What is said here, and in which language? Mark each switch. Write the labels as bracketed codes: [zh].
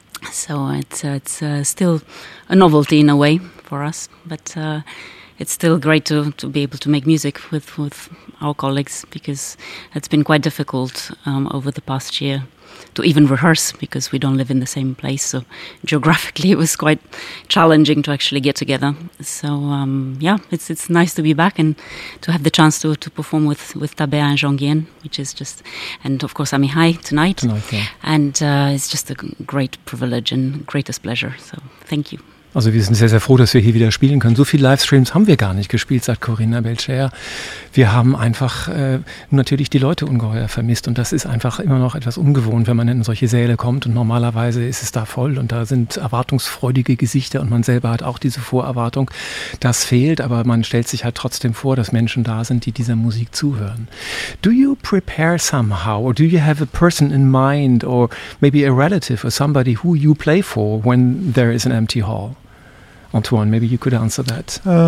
[en] So it's still a novelty in a way for us, but it's still great to be able to make music with our colleagues, because it's been quite difficult over the past year to even rehearse, because we don't live in the same place, so geographically it was quite challenging to actually get together. So it's nice to be back and to have the chance to perform with Tabea and Jean Guillen, which is just, and of course Amihai tonight. And it's just a great privilege and greatest pleasure, so thank you. [de] Also wir sind sehr, sehr froh, dass wir hier wieder spielen können. So viele Livestreams haben wir gar nicht gespielt, sagt Corinna Belcher. Wir haben einfach natürlich die Leute ungeheuer vermisst und das ist einfach immer noch etwas ungewohnt, wenn man in solche Säle kommt und normalerweise ist es da voll und da sind erwartungsfreudige Gesichter und man selber hat auch diese Vorerwartung. Das fehlt, aber man stellt sich halt trotzdem vor, dass Menschen da sind, die dieser Musik zuhören. [en] Do you prepare somehow or do you have a person in mind or maybe a relative or somebody who you play for when there is an empty hall? Antoine, maybe you could answer that.